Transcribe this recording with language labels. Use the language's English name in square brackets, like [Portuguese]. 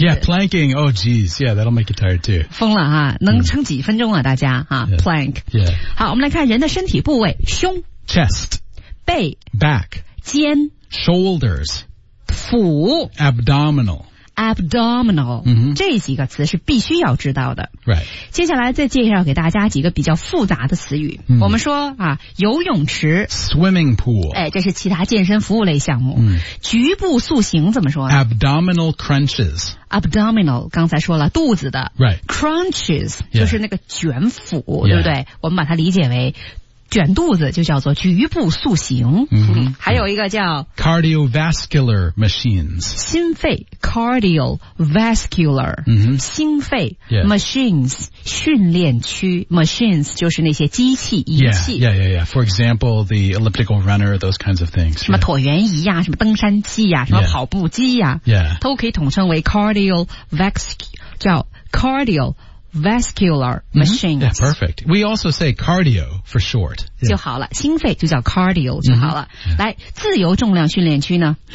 [English] Yeah, planking, oh geez, yeah, that'll make you tired too. [Chinese] 疯了啊能撑几分钟啊、mm. 大家啊、 [English] yeah. Plank. Yeah. [Chinese] 好我们来看人的身体部位胸。 [English] Chest. [Chinese] 背。 [English] Back. [Chinese] 肩。 [English] Shoulders. [Chinese] 腹。 [English] Abdominal. Abdominal、 mm-hmm. [Chinese] 这几个词是必须要知道的、 [English] right. [Chinese] 接下来再介绍给大家几个比较复杂的词语、 [English] mm-hmm. [Chinese] 我们说啊，游泳池 [English] Swimming pool、 [Chinese] 哎、这是其他健身服务类项目、 [English] mm-hmm. [Chinese] 局部塑形怎么说呢 [English] Abdominal crunches [Chinese] Abdominal 刚才说了肚子的、 [English] right. Crunches、 yeah. [Chinese] 就是那个卷腹、 [English] yeah. [Chinese] 对不对我们把它理解为卷肚子就叫做局部塑形、 [English] mm-hmm. [Chinese] 还有一个叫 [English] cardiovascular machines [Chinese] 心肺 cardiovascular、 [English] mm-hmm. [Chinese] 心肺、 [English] yes. [Chinese] machines 训练区 machines 就是那些机器仪器 [English] yeah. for example the elliptical runner those kinds of things [Chinese] 什么椭圆仪呀、啊、什么登山器呀、啊、什么跑步机呀、啊 [English] yeah. [Chinese] 都可以统称为 cardiovascular machines、mm-hmm. [English] yeah, perfect we also say cardio for short、yeah. [Chinese] 就好了心肺就叫 cardio 就好了、mm-hmm. 来自由重量训练区呢